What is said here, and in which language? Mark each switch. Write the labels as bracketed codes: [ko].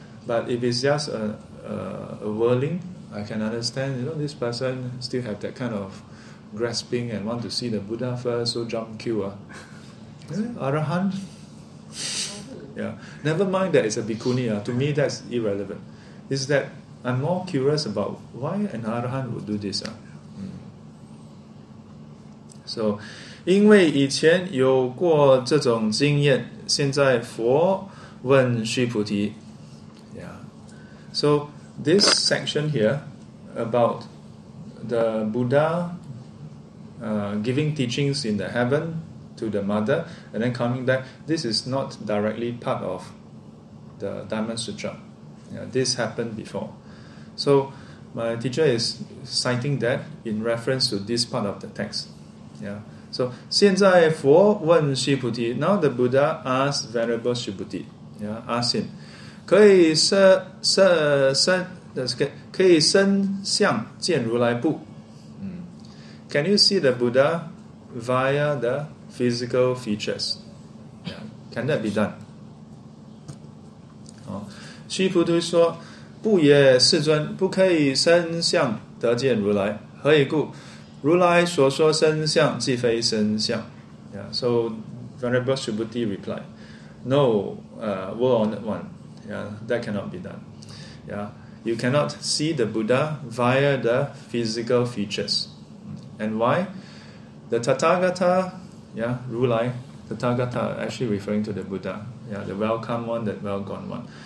[en] But if it's just a whirling, I can understand, you know, this person still have that kind of grasping and want to see the Buddha first, so jump queue. Arahant? Yeah. Never mind that it's a bhikkhuni. To me, that's irrelevant. Is that I'm more curious about why an Arahant would do this. [zh] So, 因为以前有过这种经验, 现在佛问须菩提. [en] Yeah. So, this section here about the Buddha giving teachings in the heaven to the mother and then coming back, this is not directly part of the Diamond Sutra. Yeah, this happened before. So, my teacher is citing that in reference to this part of the text. Yeah. So, [zh] 现在佛问须菩提, [en] now the Buddha asked Venerable Subhuti, yeah, ask him, [zh] 可以身相见如来不? [en] Can you see the Buddha via the physical features? Yeah. Can that be done? [zh] 须菩提说, 不也世尊不可以身相得见如来，何以故？如来所说身相即非身相。 [en] Yeah, so Venerable Subhuti replied, No, world on that one. Yeah, that cannot be done. Yeah, you cannot see the Buddha via the physical features. And why? The Tathagata, yeah, Rulai, Tathagata actually referring to the Buddha, yeah, the welcome one, the well gone one.